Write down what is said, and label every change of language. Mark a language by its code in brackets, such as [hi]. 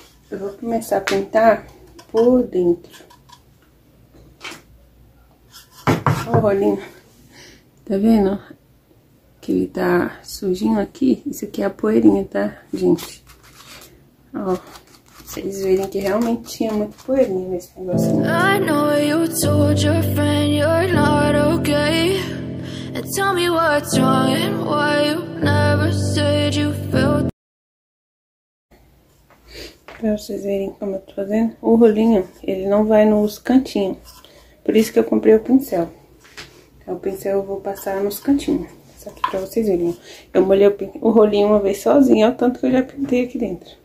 [pt] Eu vou começar a pintar por dentro. Olha o rolinho. Tá vendo? Que ele tá sujinho aqui. Isso aqui é a poeirinha, tá, gente? Ó. Vocês verem que realmente tinha muito poeirinha nesse negócio. [en] I know you told your friend you're not okay. And tell me what's wrong and why you never said you felt. [pt] Pra vocês verem como eu tô fazendo. O rolinho, ele não vai nos cantinhos. Por isso que eu comprei o pincel. Então, o pincel eu vou passar nos cantinhos. Só aqui pra vocês verem. Eu molhei o rolinho uma vez sozinho. Olha o tanto que eu já pintei aqui dentro.